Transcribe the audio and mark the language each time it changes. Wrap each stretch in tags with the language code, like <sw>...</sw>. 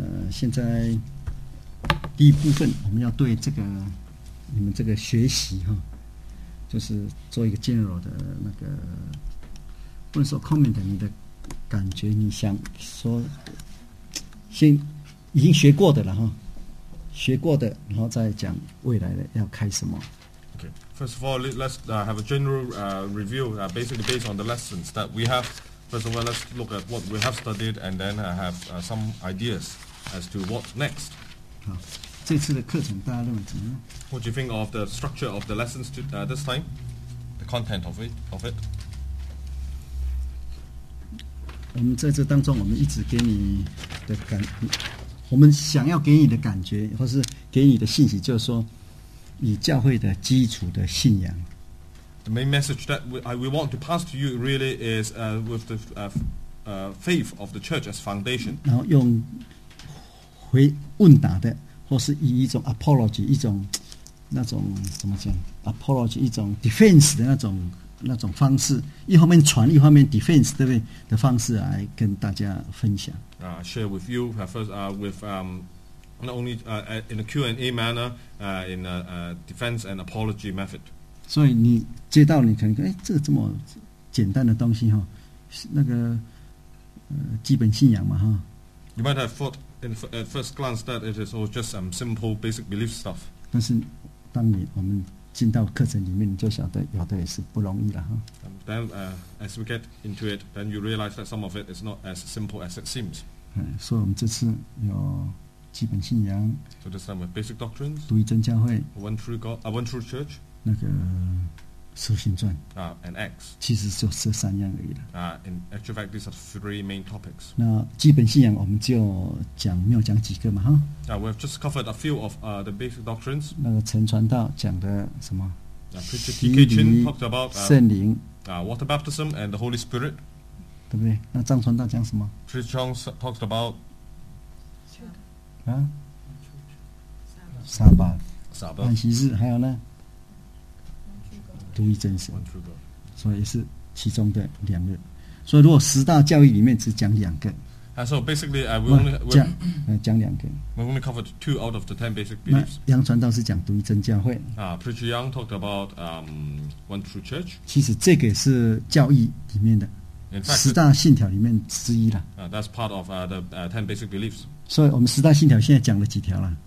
<zh>现在第一部分我们要对这个你们这个学习哈，就是做一个 general 的那个，不能说 comment， 你的感觉，你想说先已经学过的了哈，学过的然后再讲未来的要开什么。</zh> <en>Okay, first of all, let's have a general review, basically based on the lessons that we have. First of all, let's look at what we have studied and then have some ideas as to what next.</en> <zh>好，这次的课程大家认为怎么样？</zh> <en>What do you think of the structure of the lessons to, this time? The content of it, of it?</en> <zh>我们在这当中我们一直给你的感，我们想要给你的感觉或是给你的信息，就是说以教会的基础的信仰。</zh> <en>The main message that we want to pass to you really is with the faith of the church as foundation.</en> <zh>然后用回问答的，或是以一种 apology， 一种那种怎么讲 apology， 一种 defense 的那种方式，一方面传，一方面 defense， 对不对的方式来跟大家分享。</zh> <en>Share with you first with not only in a Q&A manner, in a defense and apology method.</en> <zh>所以你接到你可能这个这么简单的东西哈，那个基本信仰嘛哈。</zh> <en>You might have thought. At first glance, that it is all just some simple basic belief stuff.</en> <zh>但是当你我们进到课程里面，你就晓得有的也是不容易了哈。</zh> <en>Then, as we get into it, then you realize that some of it is not as simple as it seems.</en> <zh>所以我们这次有基本信仰。</zh> <en>So this time with basic doctrines.</en> <zh>独一真教会。</zh> <en>One true God. One true church.</en> <zh>那个使徒行传。</zh> <en>And Acts.</en> <zh>其实就这三样而已了。</zh> <en>In actual fact, these are three main topics.</en> <zh>那基本信仰我们就讲没有讲几个嘛哈。</zh> <en>We've just covered a few of the basic doctrines.</en> <zh>那个陈传道讲的什么？</zh> <en>Preacher T.K. Chin talked about</en> <zh>圣灵。</zh> <en>Water baptism and the Holy Spirit.</en> <zh>对不对？那张传道讲什么</zh> <en>？Preacher Chong talked about</en> <zh>沙巴。沙巴。安息日还有呢？独一真神，所以是其中的两个。所以如果十大教义里面只讲两个，</zh> <en>So basically, we only</en> <zh>两个。</zh> <en>We only covered two out of the ten basic beliefs.</en> <zh>杨传道是讲独一真教会。</zh> <en>Preacher Young talked about one true church.</en> <zh>其实这个是教义里面的</zh> <en>fact,</en> <zh>十大信条里面之一了。</zh> <en>That's part of the ten basic beliefs.</en> <zh>所以我们十大信条现在讲了几条了</zh>